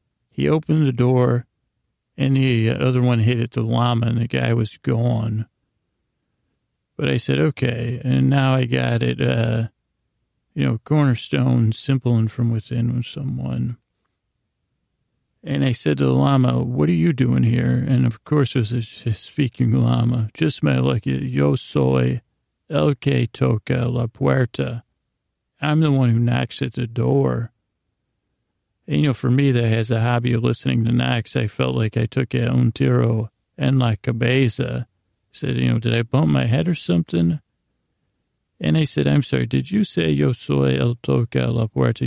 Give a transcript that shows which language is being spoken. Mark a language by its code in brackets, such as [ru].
[en] He opened the door, and the other one hit at the llama, and the guy was gone. But I said, okay, and now I got it, you know, cornerstone, simple and from within someone. And I said to the llama, "What are you doing here?" And of course, it was a speaking llama. "Just my lucky, [es] yo soy el que toca la puerta. [en] I'm the one who knocks at the door." And, you know, for me, that has a hobby of listening to knocks. I felt like I took a [es] un tiro en la cabeza. [en] Said, you know, did I bump my head or something? And I said, "I'm sorry, did you say [es] yo soy el toca la puerta?